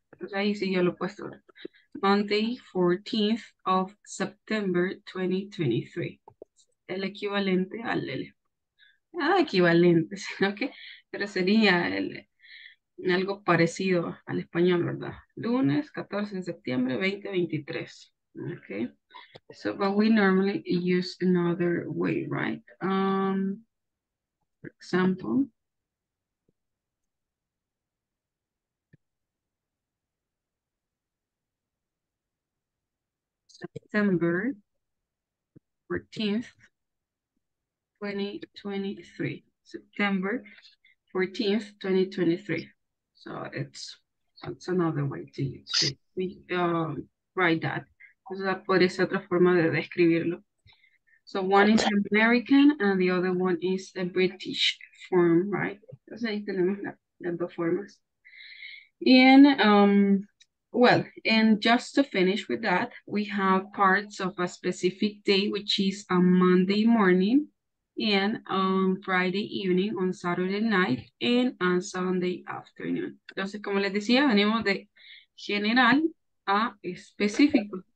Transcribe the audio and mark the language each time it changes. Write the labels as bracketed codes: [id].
[es] Entonces ahí sí yo lo he puesto, [en] Monday 14th of September 2023, [es] el equivalente al L. Nada equivalente, sino que pero sería el, algo parecido al español, ¿verdad? Lunes 14 de septiembre 2023. [en] Ok. So, but we normally use another way, right? For example. September 14th. 2023, September 14th, 2023. So it's another way to use it. We write that. [es] Entonces, that podría ser otra forma de describirlo. [en] So one is American and the other one is a British form, right? [es] Entonces ahí tenemos las dos formas. [en] And well, and just to finish with that, we have parts of a specific day, which is a Monday morning. And on Friday evening, on Saturday night, and on Sunday afternoon. [es] Entonces, como les decía, venimos de general a específico.